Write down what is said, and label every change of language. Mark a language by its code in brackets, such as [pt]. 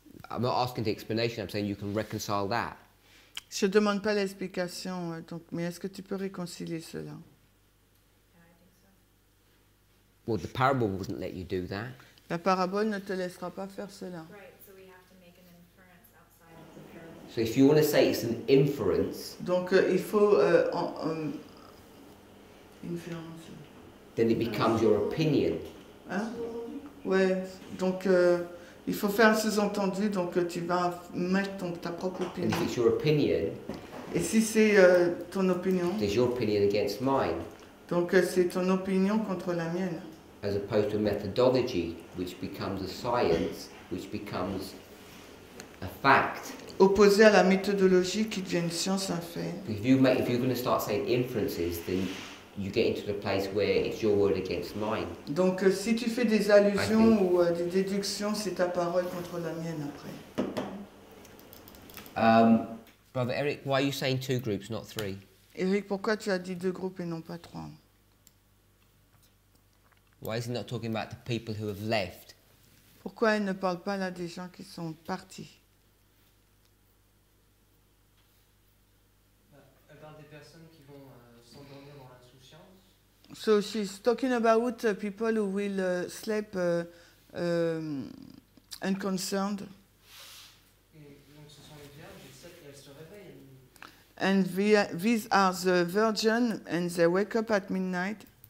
[en] I'm not asking the explanation, I'm saying you can reconcile that. [fr] Je ne demande pas l'explication, donc, mais est-ce que tu peux réconcilier cela? [en] Well, the parable wouldn't let you do that. [fr] La parabole ne te laissera pas faire cela. [en] Right, so we have to make an inference outside of the parable. So if you want to say it's an inference, [fr] donc il faut inference. [en] Then it becomes your opinion. [fr] Hein? Ouais. Donc il faut faire un sous-entendu. Donc tu vas mettre ta propre opinion. [en] And if it's your opinion. [fr] Et si c'est ton opinion? [en] It's your opinion against mine. [fr] Donc c'est ton opinion contre la mienne. [en] As opposed to a methodology, which becomes a science, which becomes a fact. [fr] Opposé à la méthodologie qui devient une science, un fait. [en] If you're going to start saying inferences, then you get into the place where it's your word against mine. [fr] Donc, si tu fais des allusions ou des déductions, c'est ta parole contre la mienne après. [en] Brother Eric, why are you saying two groups, not three? [fr] Eric, pourquoi tu as dit deux groupes et non pas trois? [en] Why is he not talking about the people who have left? [fr] Pourquoi il ne parle pas là des gens qui sont partis? About des personnes qui vont s'endormir dans l'insouciance. [en] So she's talking about people who will sleep unconcerned. [fr] Et donc ce sont les vierges, et elles se réveillent. [en] And these are the virgins, and they wake up at midnight.